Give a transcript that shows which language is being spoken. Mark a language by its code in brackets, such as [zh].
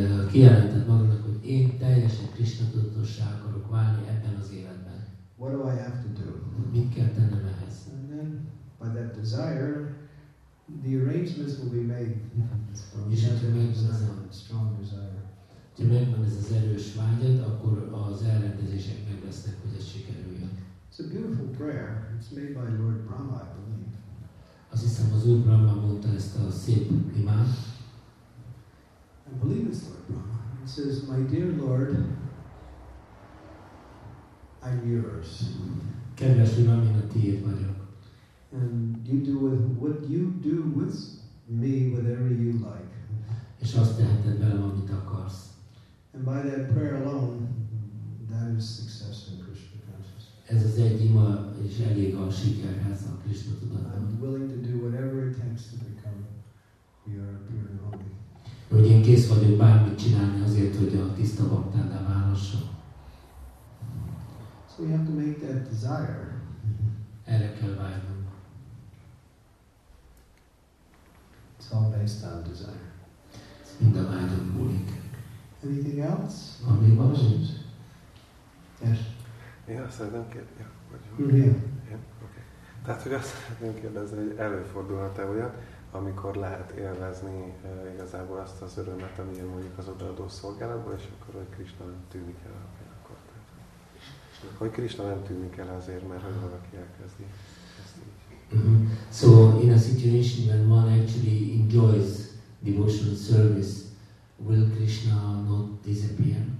[hu] Kijelentett magának, hogy én teljesen Krishna tudatossá akarok válni ebben az életben. [en] What do I have to do? [hu] Mit kell tennem ehhez? [en] And then, by that desire, the arrangements will be made. [hu] És hogyha megvan [en] a strong desire. [hu] Ha megvan ez az erős vágyad, akkor az elrendezések meg lesznek, hogy ez sikerüljön. [en] It's a beautiful prayer. It's made by Lord Brahma, I believe. [hu] Azt hiszem, az Úr Brahma mondta ezt a szép imát. [en] I believe it's Lord Brahma. It says, my dear Lord, I'm yours. [hu] Kedves Uram, én a tiéd vagyok. [en] And you do with what you do with me, whatever you like. [hu] És azt teheted velem, amit akarsz. [en] And by that prayer alone, that is success in Krishna consciousness. [hu] Ez az egy ima, és elég a sikerhez a Krishna tudatban. [en] I'm willing to do whatever it takes to become your pure devotee. [hu] Hogy én kész vagyok bármit csinálni azért, hogy a tiszta baktává válasson. [en] So we have to make that desire. [hu] Erre kell vágynunk. [en] It's all based on desire. [hu] Ez mind a vágyon múlik. [en] Anything else? [hu] Ami valósít. [en] Yes. [hu] Én azt szeretném kérdezni. Ja, [en] okay. [hu] Tehát, hogy azt szeretném kérdezni, hogy előfordulhat-e olyan, amikor lehet élvezni igazából azt az örömet, ami mondjuk az odaadó szolgálatból, és akkor, hogy Krisna nem tűnik el a pillanatkor. Hogy Krisna nem tűnik el azért, mert hogy valaki elkezdi. Mm-hmm. [en] So in a situation when one actually enjoys devotional service, will Krishna not disappear?